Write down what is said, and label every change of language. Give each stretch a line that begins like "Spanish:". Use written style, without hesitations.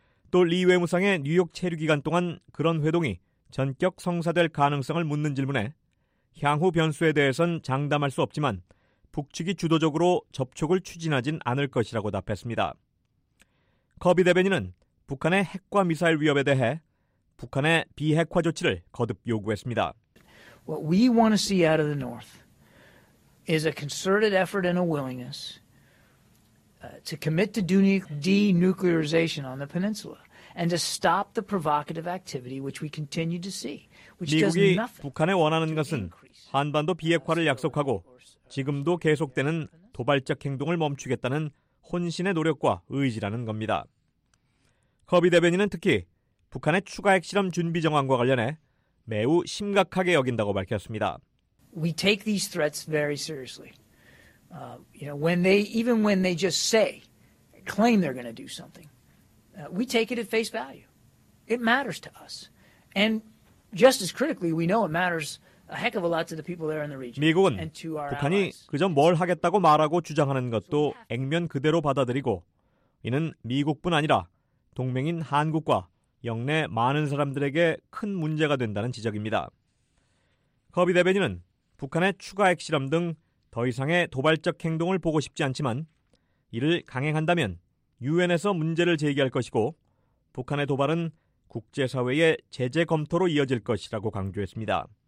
Korean: 또 리 외무상의 뉴욕 체류 기간 동안 그런 회동이 전격 성사될 가능성을 묻는 질문에 향후 변수에 대해선 장담할 수 없지만 북측이 주도적으로 접촉을 추진하진 않을 것이라고 답했습니다. 커비 대변인은 북한의 핵과 미사일 위협에 대해 북한의 비핵화 조치를 거듭 요구했습니다.
English: What we want to see out of the North is a concerted effort and a willingness to commit to denuclearization on the peninsula and to stop the provocative activity which we continue to see.
Korean: 미국이 북한에 원하는 것은 한반도 비핵화를 약속하고 지금도 계속되는 도발적 행동을 멈추겠다는 혼신의 노력과 의지라는 겁니다. 커비 대변인은 특히 북한의 추가 핵실험 준비 정황과 관련해 매우 심각하게 여긴다고 밝혔습니다.
English: We take these threats very seriously. You know, when they even when they just say claim they're going to do something. We take it at face value. It matters to us. And just as critically, we know it matters a heck of a lot to the people there in the region.
Korean: 미국은
English: and to our
Korean: 북한이
English: allies.
Korean: 그저 뭘 하겠다고 말하고 주장하는 것도 액면 그대로 받아들이고 이는 미국뿐 아니라 동맹인 한국과 영내 많은 사람들에게 큰 문제가 된다는 지적입니다. 커비 대변인은 북한의 추가 핵실험 등 더 이상의 도발적 행동을 보고 싶지 않지만 이를 강행한다면 유엔에서 문제를 제기할 것이고 북한의 도발은 국제사회의 제재 검토로 이어질 것이라고 강조했습니다.